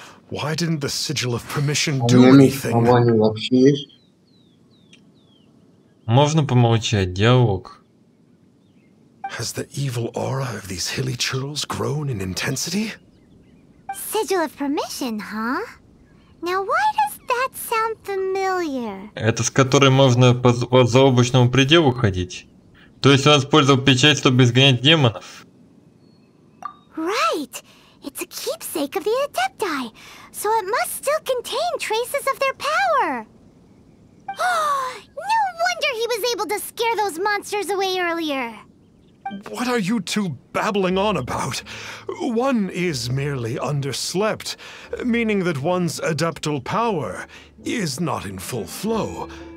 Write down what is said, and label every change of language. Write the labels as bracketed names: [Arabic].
[English] Why didn't the sigil of permission do anything? [Russian] Можно помолчать, диалог. [English] Has the evil aura of these hilly churls grown in intensity? Sigil of permission, huh? Now why does that sound familiar? [Russian] Это с которой можно по заоблачному пределу ходить? То есть он использовал печать, чтобы изгонять демонов? [English] Right. It's a keepsake of the Adepti. So it must still contain traces of their power. No one wonder he was able to scare those monsters away earlier. What are you two babbling on about? One is merely underslept, meaning that one's adeptal power is not in full flow.